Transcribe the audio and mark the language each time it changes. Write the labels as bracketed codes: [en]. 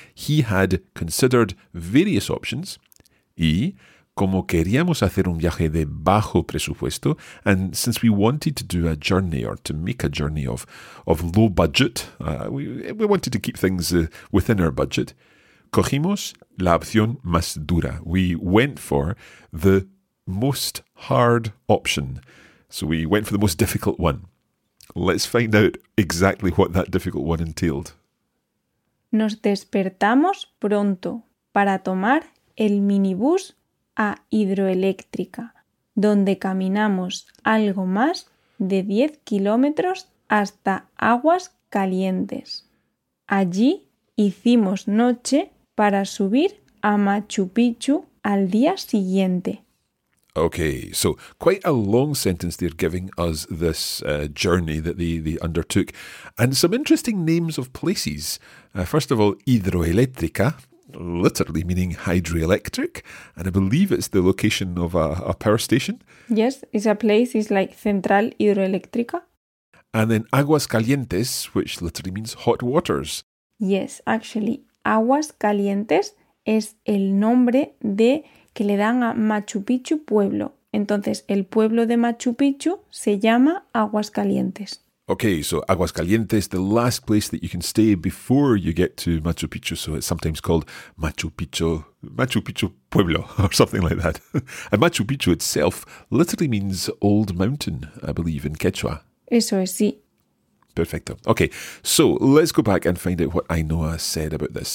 [en] He had considered various options, [es] y como queríamos hacer un viaje de bajo presupuesto, [en] and since we wanted to do a journey or to make a journey of low budget, we wanted to keep things within our budget, [es] cogimos la opción más dura. [en] We went for the most hard option. So we went for the most difficult one. Let's find out exactly what that difficult one entailed. [es] Nos despertamos pronto para tomar el minibús a Hidroeléctrica, donde caminamos algo más de 10 kilómetros hasta Aguas Calientes. Allí hicimos noche para subir a Machu Picchu al día siguiente. [en] Okay, so quite a long sentence they're giving us, this journey that they undertook. And some interesting names of places. First of all, Hidroeléctrica, literally meaning hydroelectric, and I believe it's the location of a power station. Yes, it's a place, it's like Central Hidroeléctrica. And then Aguas Calientes, which literally means hot waters. Yes, actually, [es] Aguas Calientes es el nombre de que le dan a Machu Picchu pueblo. Entonces, el pueblo de Machu Picchu se llama Aguas Calientes. [en] Okay, so Aguas Calientes, the last place that you can stay before you get to Machu Picchu. So it's sometimes called Machu Picchu Pueblo or something like that. And Machu Picchu itself literally means old mountain, I believe, in Quechua. [es] Eso es, sí. Perfecto. [en] Okay, so let's go back and find out what Ainhoa said about this.